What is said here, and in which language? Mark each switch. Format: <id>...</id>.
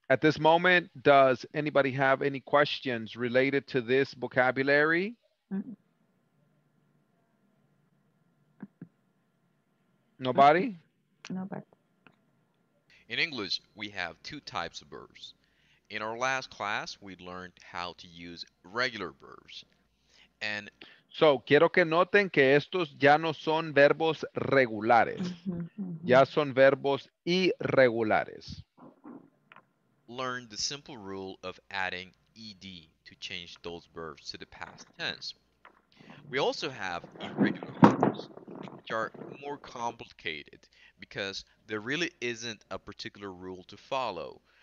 <en>At this moment, does anybody have any questions related to this vocabulary? Nobody? Nobody. In English, we have two types of verbs. In our last class, we learned how to use regular verbs. And</en> <es>so, quiero que noten que estos ya no son verbos regulares. Ya son verbos irregulares.</es> <en>Learn the simple rule of adding ed to change those verbs to the past tense. We also have irregular verbs, which are more complicated because there really isn't a particular rule to follow.</en>